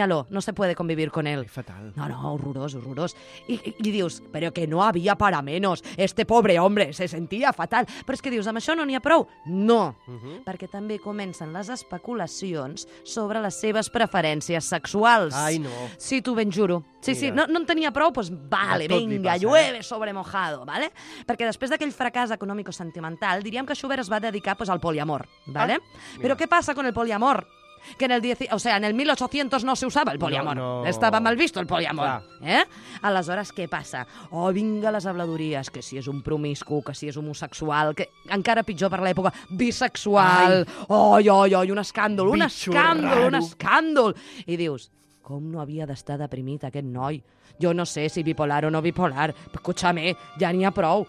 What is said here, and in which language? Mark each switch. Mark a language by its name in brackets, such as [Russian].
[Spanish] No se puede convivir con él. Ay, fatal. [Catalan] No, horrorós. [Spanish] I dius, pero que no había para menos. Este pobre hombre se sentía fatal. [Catalan] Però és que dius, amb això no n'hi ha prou. No. Uh-huh. Perquè també comencen les especulacions sobre les seves preferències sexuals. Ai, no. Sí, t'ho ben juro. Sí, mira. No en tenia prou, [Spanish] pues vale, venga, llueve sobre mojado, ¿vale? [Catalan] Perquè després d'aquell fracàs econòmico-sentimental, diríem que Schubert es va dedicar, pues, al poliamor, ¿vale? Ah, però què passa con el poliamor? [Spanish] Que en el 10, o sea, en el 1800 no se usava el poliamor. No. Estava mal visto el poliamor. Ah. [Catalan] Aleshores, què passa? Oh, vinga les habladories, que si és un promiscu, que si és homosexual, que encara pitjor per l'època, bisexual. Ai. Oi, un escàndol, [Spanish] bicho, [Catalan] un escàndol, [Spanish] raro. [Catalan] Un escàndol. I dius, com no havia d'estar deprimit aquest noi? Jo no sé si bipolar o no bipolar, escúchame, ja n'hi ha prou.